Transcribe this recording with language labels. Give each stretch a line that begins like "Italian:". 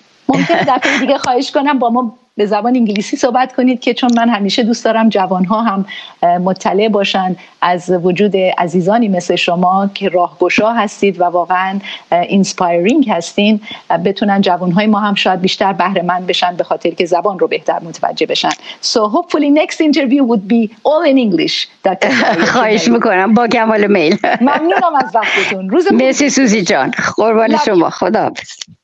Persian: ممکنه دفعه دیگه خواهش کنم با ما به زبان انگلیسی صحبت کنید، که چون من همیشه دوست دارم جوانها هم مطلع باشن از وجود عزیزانی مثل شما که راهگشا هستید و واقعا inspiring هستین، بتونن جوانهای ما هم شاید بیشتر بهره مند بشن به خاطر که زبان رو بهتر متوجه بشن.
English: So hopefully next interview would be all in English.
Persian: خواهش میکنم با کمال میل. ممنونم از وقتتون. مرسی سوزی جان، قربان شما، خدا حافظ.